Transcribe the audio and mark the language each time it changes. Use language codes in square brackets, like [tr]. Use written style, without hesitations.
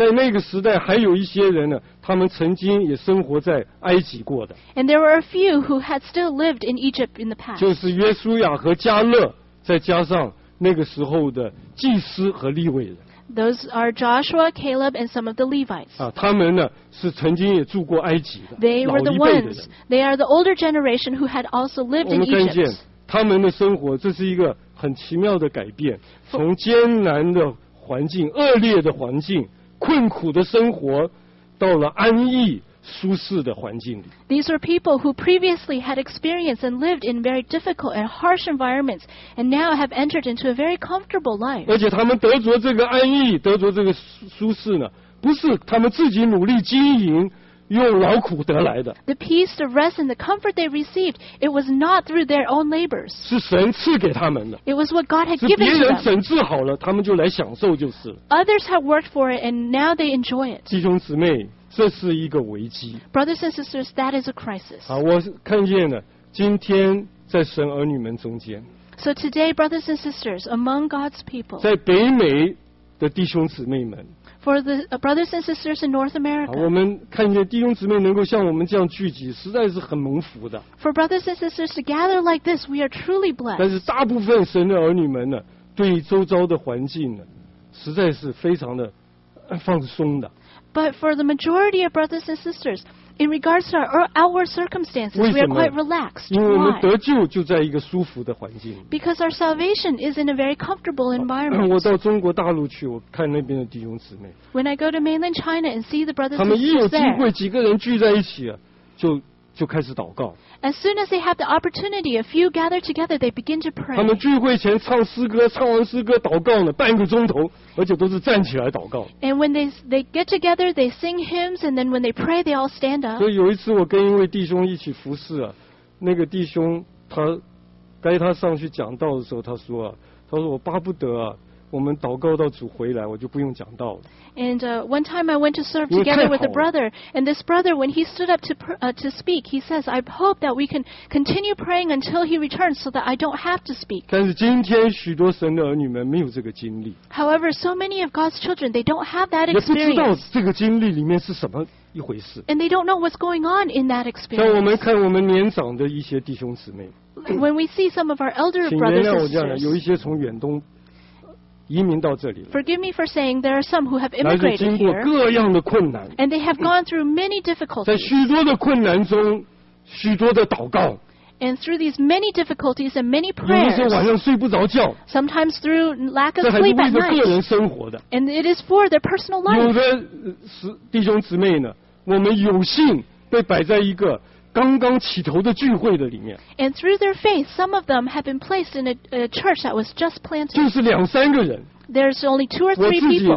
[zh] 在那个时代还有一些人呢他们曾经也生活在埃及过的 [en] And there were a few who had still lived in Egypt in the past [zh] 就是约书亚和加勒再加上那个时候的祭司和利未人 [en] Those are Joshua, Caleb, and some of the Levites. [zh] 啊，他们呢是曾经也住过埃及的。 [en] They were the ones. They are the older generation who had also lived in Egypt. [zh] 我们看见他们的生活，这是一个很奇妙的改变，从艰难的环境、恶劣的环境、困苦的生活，到了安逸。舒适的环境里 [en] These were people who previously had experienced and lived in very difficult and harsh environments and now have entered into a very comfortable life. [zh] 而且他们得着这个安逸得着这个舒适呢不是他们自己努力经营用劳苦得来的 [en] The peace, the rest and the comfort they received it was not through their own labors. [zh] 是神赐给他们的 [en] It was what God had given to them. [zh] 是别人整治好了他们就来享受就是 [en] Others have worked for it and now they enjoy it. [zh] 弟兄姊妹这是一个危机 [en] Brothers and sisters, that is a crisis. [zh] 啊，我看见了，今天在神儿女们中间。 [en] So today, brothers and sisters, among God's people. [zh] 在北美的弟兄姊妹们。 [en] For the brothers and sisters in North America. [zh] 我们看见弟兄姊妹能够像我们这样聚集，实在是很蒙福的。 [en] For brothers and sisters to gather like this, we are truly blessed. [zh] 但是大部分神的儿女们呢，对周遭的环境呢，实在是非常的放松的。 [en] But for the majority of brothers and sisters, in regards to our outward circumstances, we are quite relaxed. [zh] 因为我们得救就在一个舒服的环境。 [en] Because our salvation is in a very comfortable environment. [zh] 我到中国大陆去，我看那边的弟兄姊妹。 [en] When I go to mainland China and see the brothers and sisters there, [zh] 他们一有机会，几个人聚在一起，就开始祷告。 [en] As soon as they have the opportunity, a few gather together, they begin to pray. [zh] 他们聚会前唱诗歌，唱完诗歌祷告呢，半个钟头，而且都是站起来祷告。 [en] And when they get together, they sing hymns, and then when they pray, they all stand up. [zh] 所以有一次我跟一位弟兄一起服侍啊，那个弟兄他该他上去讲道的时候，他说我巴不得啊。我们祷告到主回来，我就不用讲道了。 [en] And one time I went to serve together with a brother, and this brother, when he stood up to speak, he says, "I hope that we can continue praying until he returns, so that I don't have to speak." [zh] 但是今天许多神的儿女们没有这个经历。 [en] However, so many of God's children they don't have that experience. [zh] 也不知道这个经历里面是什么一回事。 [en] And they don't know what's going on in that experience. [zh] 像我们看我们年长的一些弟兄姊妹。 [en] When we see some of our elder brothers and sisters, [zh] 请原谅我这样的，有一些移民到这里了。 [en] Forgive me for saying there are some who have immigrated here. [zh] 来自经过各样的困难。 [en] And they have gone through many difficulties. [zh] 在许多的困难中，许多的祷告。 [en] And through these many difficulties and many prayers. [zh] 有的时候晚上睡不着觉。 [en] Sometimes through lack of sleep at night. [zh] 这还是为了个人生活的。 [en] And it is for their personal life. [zh] 有的弟兄姊妹呢，我们有幸被摆在一个刚刚起头的聚会的里面 [en] and through their faith some of them have been placed in a church that was just planted [zh] 就是两三个人 [en] there's only two or three people